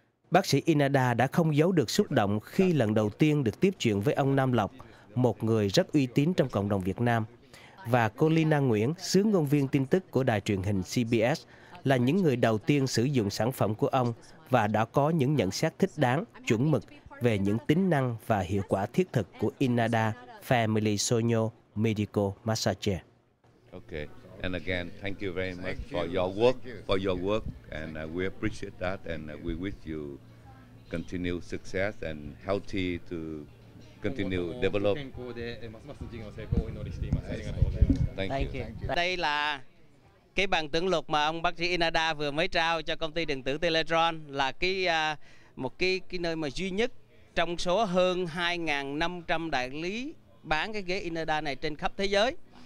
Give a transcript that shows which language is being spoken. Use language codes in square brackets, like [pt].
[vi] Bác sĩ Inada đã không giấu được xúc động khi lần đầu tiên được tiếp chuyện với ông Nam Lộc, một người rất uy tín trong cộng đồng Việt Nam, và cô Lina Nguyễn, xứ ngôn viên tin tức của đài truyền hình CBS, là những người đầu tiên sử dụng sản phẩm của ông và đã có những nhận xét thích đáng, chuẩn mực về những tính năng và hiệu quả thiết thực của Inada Family Sonyo Medical Massage Chair. [en] Okay, and again, thank you very much for your work, for your work, and we appreciate that, and we wish you continued success and healthy to continue develop. Thank you. [vi] Đây là cái bằng tưởng lục mà ông bác sĩ Inada vừa mới trao cho công ty điện tử Teletron, là cái nơi mà duy nhất trong số hơn 2.500 đại lý bán cái ghế Inada này trên khắp thế giới.